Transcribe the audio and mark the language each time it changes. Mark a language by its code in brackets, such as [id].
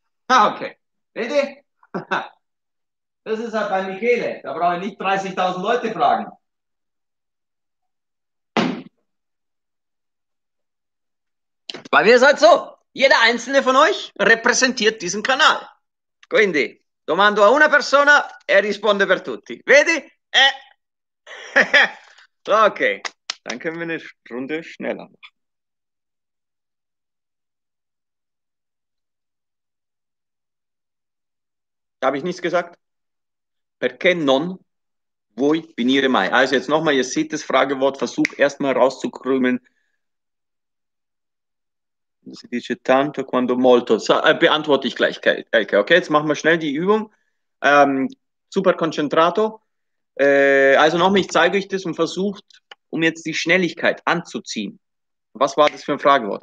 [it] Ah, okay. Vedi? [de] Das ist halt bei Michele, da brauche ich nicht 30.000 Leute fragen. Bei mir ist halt so, jeder einzelne von euch repräsentiert diesen Kanal. [it] Quindi, domando a una persona e risponde per tutti. Vedi? [de] Okay, dann können wir eine Runde schneller machen. Habe ich nichts gesagt? [it] Perché non vuoi venire mai? [de] Also jetzt nochmal, ihr seht das Fragewort, versuch erstmal rauszukrümeln. [it] Si dice tanto quando molto. [de] Beantworte ich gleich, Elke. Okay, jetzt machen wir schnell die Übung. [it] Super concentrato. [de] Also nochmal, ich zeige euch das und versucht, um jetzt die Schnelligkeit anzuziehen. Was war das für ein Fragewort?